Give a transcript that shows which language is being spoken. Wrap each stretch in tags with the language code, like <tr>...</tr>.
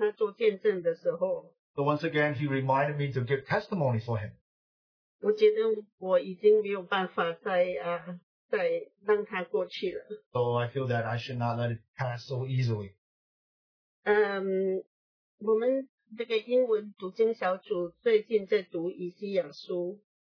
<zh>但是这，所以他这次在提醒我要为他做见证的时候。</zh> <en>So once again, he reminded me to give testimony for him.</en> <zh>我觉得我已经没有办法再让他过去了。</zh> <en>So I feel that I should not let it pass so easily.</en> <zh>我们 这个英文读经小组最近在读以西结书。</zh>